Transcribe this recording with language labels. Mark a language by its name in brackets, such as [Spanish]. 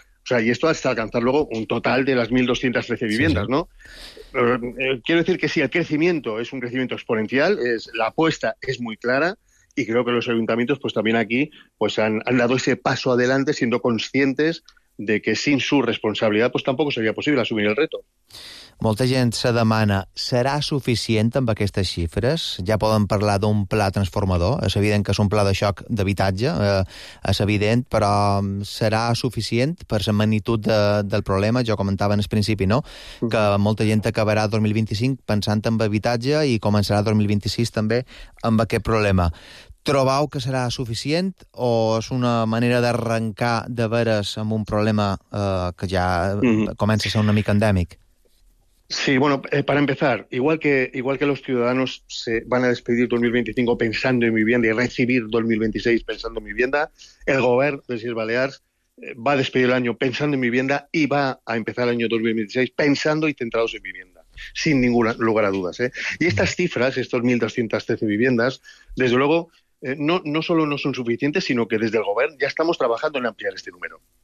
[Spanish] O sea, y esto hasta alcanzar luego un total de las 1.213 viviendas, sí, sí, ¿no? Quiero decir que sí, el crecimiento es un crecimiento exponencial, la apuesta es muy clara, y creo que los ayuntamientos, pues también aquí, pues han dado ese paso adelante, siendo conscientes de que sin su responsabilidad, pues tampoco sería posible asumir el reto. [Catalan] Molta gent se demana, serà suficient amb aquestes xifres? Ja poden parlar d'un pla transformador, és evident que és un pla de xoc d'habitatge, és evident, però serà suficient per la magnitud del problema? Jo comentava en el principi, no? Que molta gent acabarà 2025 pensant en habitatge i començarà 2026 també amb aquest problema. Trobau que serà suficient o és una manera d'arrencar de veres amb un problema que ja comença a ser una mica endèmic? [Spanish] Sí, bueno, para empezar, igual que los ciudadanos se van a despedir 2025 pensando en vivienda y recibir 2026 pensando en vivienda, el gobierno de Islas Baleares va a despedir el año pensando en vivienda y va a empezar el año 2026 pensando y centrados en vivienda, sin ningún lugar a dudas, ¿eh? Y estas cifras, estos 1.213 viviendas, desde luego, no solo no son suficientes, sino que desde el gobierno ya estamos trabajando en ampliar este número.